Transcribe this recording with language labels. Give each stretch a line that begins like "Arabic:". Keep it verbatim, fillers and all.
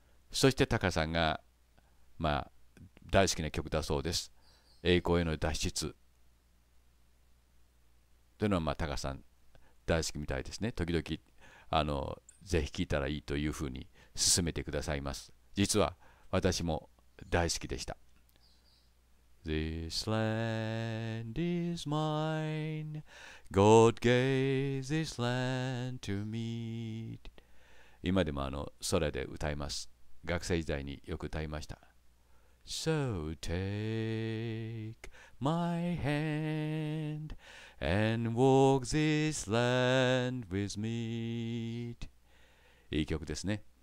Japanese: そしてタカさんが、まあ、大好きな曲だそうです。栄光への脱出というのは、まあ、タカさん大好きみたいですね。時々あのぜひ聴いたらいいというふうに勧めてくださいます。実は私も大好きでした。
English: This land is mine, God gave this land to me.
Japanese: 今でもあの空で歌います。学生時代によく歌いました。
English: So take my hand. And walk this land with me.
Japanese: いい曲ですね。